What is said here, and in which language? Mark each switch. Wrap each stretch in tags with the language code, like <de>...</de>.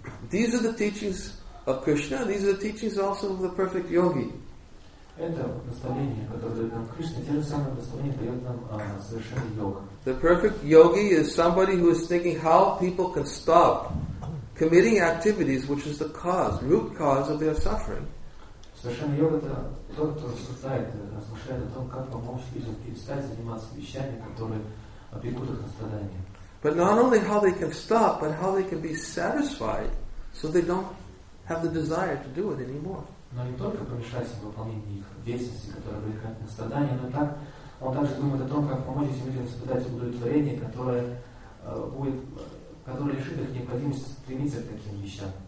<en>These are the teachings of Krishna, these are the teachings also of the perfect yogi. The perfect yogi is somebody who is thinking how people can stop committing activities which is the cause, root cause of their suffering.</en> <ru>Совершенно йога — это тот, кто рассуждает, размышляет о том, как помочь людям перестать заниматься вещами, которые обрекут их на страдания.</ru> <en>But not only how they can stop, but how they can be satisfied, so they don't have the desire to do it anymore.</en> <ru>Но не только помешать им в выполнении их деятельности, которая обрекает на страдания, но так он также думает о том, как помочь этим людям испытать удовлетворение, которое будет, которое лишит их необходимости стремиться к таким вещам.</ru>